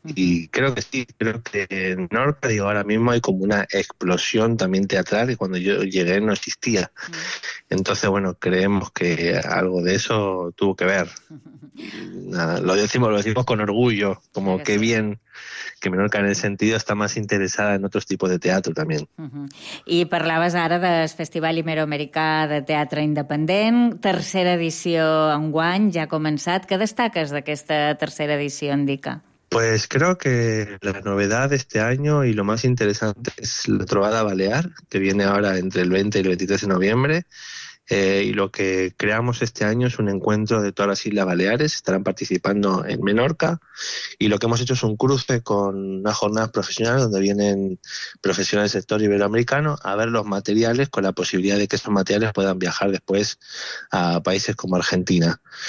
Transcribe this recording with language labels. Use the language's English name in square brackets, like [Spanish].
[Spanish] Y creo que sí, creo que en Norca, digo, ahora mismo hay como una explosión también teatral, y cuando yo llegué no existía. Entonces, bueno, creemos que algo de eso tuvo que ver. Nada, lo decimos con orgullo, como qué bien que Menorca en ese sentido está más interesada en otros tipos de teatro también. Uh-huh. [Catalan] I parlaves ara del Festival Iberoamericà de Teatre Independent, tercera edició enguany, ja ha començat. Què destaques d'aquesta tercera edició, Nendica? [Spanish] Pues creo que la novedad de este año y lo más interesante es la Trobada Balear, que viene ahora entre el 20 y el 23 de noviembre. Y lo que creamos este año es un encuentro de todas las Islas Baleares, estarán participando en Menorca, y lo que hemos hecho es un cruce con unas jornadas profesionales donde vienen profesionales del sector iberoamericano a ver los materiales, con la posibilidad de que esos materiales puedan viajar después a países como Argentina.